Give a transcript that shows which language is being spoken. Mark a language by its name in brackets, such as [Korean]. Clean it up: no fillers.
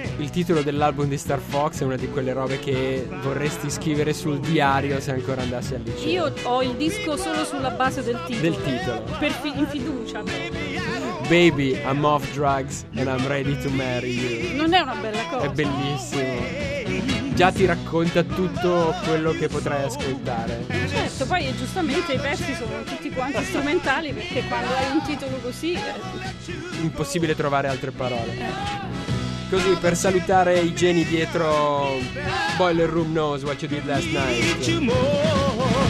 [Italian] titolo dell'album di Star Fox è una di quelle robe che vorresti scrivere sul diario se ancora andassi al liceo. Io ho il disco solo sulla base del titolo. Del titolo. Per in fiducia. [English] Baby, I'm off drugs and I'm ready to marry you. [Italian] Non è una bella cosa. È bellissimo. Già ti racconta tutto quello che potrai ascoltare. Certo, poi giustamente i pezzi sono tutti quanti strumentali, perché quando hai un titolo così è impossibile trovare altre parole. Così, per salutare i geni dietro Boiler Room Knows What You Did Last Night.